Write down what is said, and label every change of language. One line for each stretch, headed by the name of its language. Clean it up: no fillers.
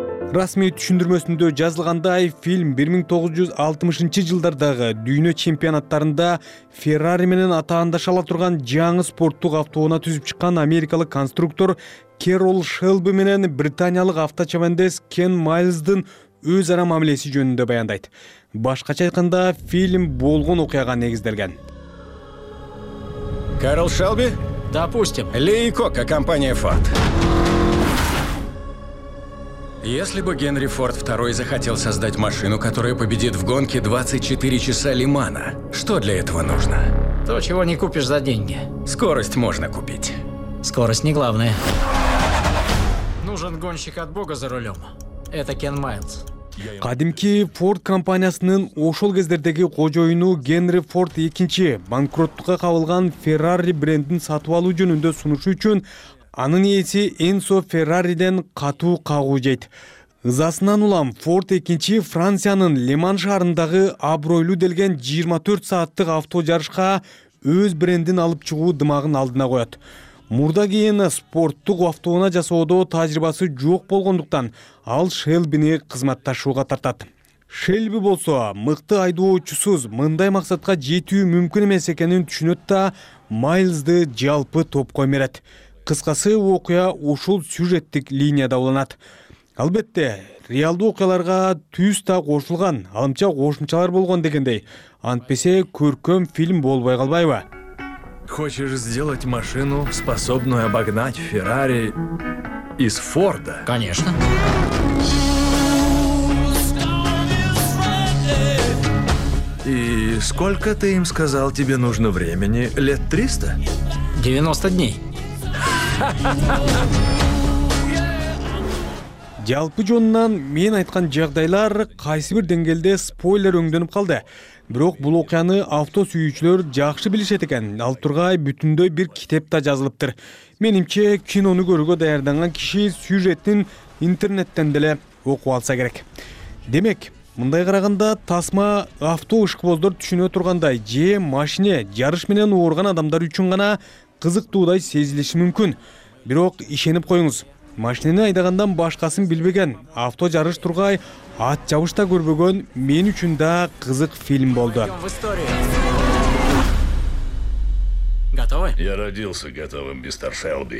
Kyrgyz: Расмий түшүндүрмөсүндө жазылгандай, фильм 1960 жылдардагы дүйнө чемпионаттарында Феррари менен атаандашала турган жаңы спорттук автоуна түзүп чыккан америкалык конструктор Кэрол Шелби менен британиялык авточавандес Кен Майлздын өз ара мамилеси жөнүндө баяндайт. Башкача айтканда, фильм болгон окуяга негизделген.
Russian: Кэрол Шелби? Допустим. Ли и Кока, компания Ford. Если бы Генри Форд II захотел создать машину, которая победит в гонке 24 часа Лимана, что для этого нужно? То, чего не купишь за деньги. Скорость можно купить. Скорость не главное. Нужен гонщик от бога за рулем. Это Кен Майлз.
Kyrgyz: Кадимки Форд компаниясынын ошол кездердеги кожоюну Генри Форд II банкроттукка кабылган Феррари брендин сатып алуу жөнүндө сунушу үчүн анын ээси Энсо Феррариден катуу кагуу жейт. Ызасынан улам Форд II Франциянын Леман шаарындагы абройлуу делген 24 сааттык авто жарышка өз брендин алып чыгуу дымагын алдына коет. Мурда кийин спорттук автоуна жасоодо тажрыйбасы жок болгондуктан ал Шелбини кызматташууга тартат. Шелби болсо мыкты айдоочусуз мындай максатка жетүү мүмкүн эмес экенин түшүнөт да Майлзды жалпы топко берет. Кыскасы окуя ушул сюжеттик линияда уланат. Албетте, реалдуу окуяларга түз да кошулган, алымча кошумчалар болгон дегендей, антпесе көркөм фильм болбой калбайбы?
Russian: хочешь сделать машину, способную обогнать Феррари из Форда? Конечно. И сколько ты им сказал, тебе нужно времени? Лет 300? 90 дней.
Kyrgyz: Жалпы жөнүнөн мен айткан жагдайлар кайсы бир деңгээлде спойлер өңдөнүп калды. Бирок бул окуяны авто сүйүүчүлөр жакшы билишет экен. Ал тургай бүтүндөй бир китепте жазылыптыр. Менимче кинону көрүүгө даярданган киши сюжеттин интернеттен деле окуп алса керек. Демек, мындай караганда тасма авто ышкбоздор түшүнө тургандай же машине жарыш менен ооруган адамдар үчүн гана кызыктуудай сезилиши мүмкүн. Бирок ишенип коюңуз. Машинени айдагандан башкасын билбеген, авто жарыш тургай ат жабышта көрбөгөн мен үчүн да кызык фильм болду.
Russian: Готовы? Я родился готовым, мистер Шелби.